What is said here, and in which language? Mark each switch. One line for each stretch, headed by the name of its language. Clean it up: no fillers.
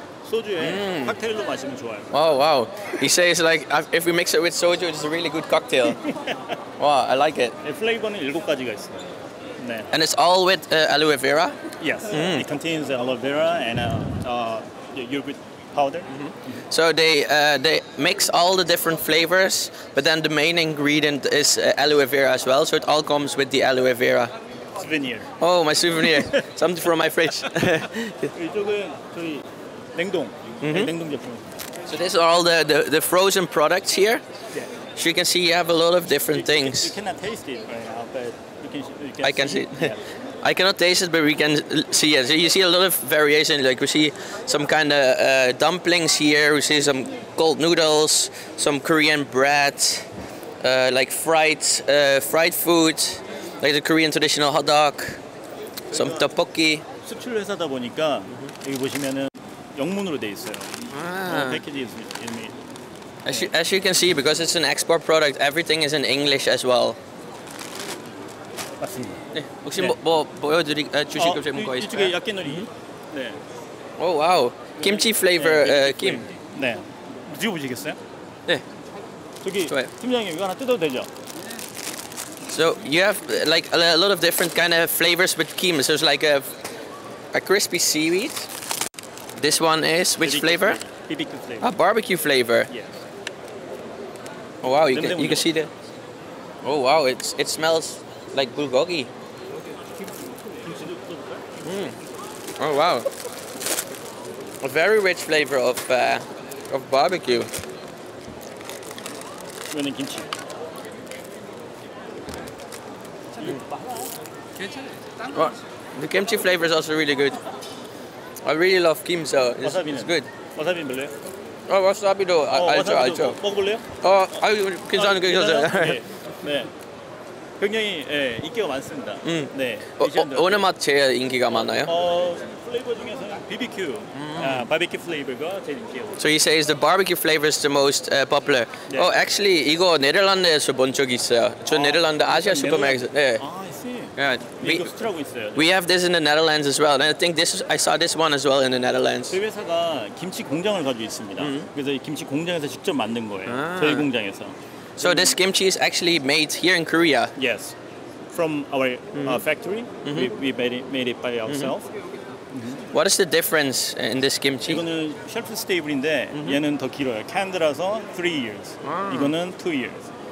Korean: 소주에 칵테일로 마시면 좋아요. 와우, 와우.
English: He says like if we mix it with soju, it's a really good cocktail. Wow, I like it.
Korean: 플레이버는 일곱 가지가 있어요.
English: 네. And it's all with aloe vera? Yes. Mm. It contains aloe vera and yogurt powder. Mm-hmm. So they mix all the different flavors, but then the main ingredient is aloe vera as well. So it all comes with the aloe vera. Souvenir. Oh, my souvenir. Something from my fridge.
Korean: 이쪽은 저희 냉동, mm-hmm. 냉동 제품.
English: So these are all the frozen products here. Yeah. So you can see you have a lot of different things. You cannot taste it right now, but you can. I can see. Yeah. I cannot taste it, but we can see it. So you see a lot of variation. Like we see some kind of dumplings here. We see some cold noodles, some Korean bread, like fried food, like the Korean traditional hot dog, some tteokbokki.
Korean: 수출 회사다 보니까 여기 보시면은. 영문으로 돼 있어요. 패키지 이미. As you can see, because it's an export product, everything is in English as well. 맞습니다. 네, 혹시 네. 뭐 보여드리 주실 것 좀 거의. 이쪽에 야끼놀이. 네. 오 와우. 김치 flavor 네, 김. 네. 뒤로 보시겠어요? 네. 저기 좋아요. 팀장님 이거 하나 뜯어도 되죠?
English: So you have like a lot of different kind of flavors with kim. So it's like a crispy seaweed. This one is which flavor? BBQ flavor. Ah, barbecue flavor. Yes. Oh wow, you can see the. Oh wow, it smells like bulgogi. Mm. Oh wow. A very rich flavor of barbecue. When in kimchi. 괜찮아. The kimchi flavor is also really good. I really love kimso. It's good.
Korean: Wasabi, 볼래요? Oh, wasabi도 알죠, 알죠. 먹어볼래요? 괜찮은 거 있어요. 네, 네. 굉장히 예, 인기가 많습니다. 네. 어느 맛 제일 인기가 많아요? 플레이버 중에서는 BBQ, barbecue flavor가 제일 인기예요. So he says the barbecue flavor is the most popular.
English: Yeah. Oh, actually,
Korean: 이거 네덜란드에서 본 적 있어요. 저 네덜란드 아시아 슈퍼마켓에서. 네.
English: Yeah, we have this in the Netherlands as well. And I think I saw this one as well in the Netherlands.
Korean: 저희 회사가 김치 공장을 가지고 있습니다. Mm-hmm. 그래서 이 김치 공장에서 직접 만든 거예요. 저희 공장에서.
English: So this kimchi is actually made here in Korea. Yes, from our factory. Mm-hmm. We made it by ourselves. Mm-hmm. What is the difference in this kimchi?
Korean: 이거는 shelf stable인데 mm-hmm. 얘는 더 길어요. Canned라서 3 years. Ah. 이거는 2 years.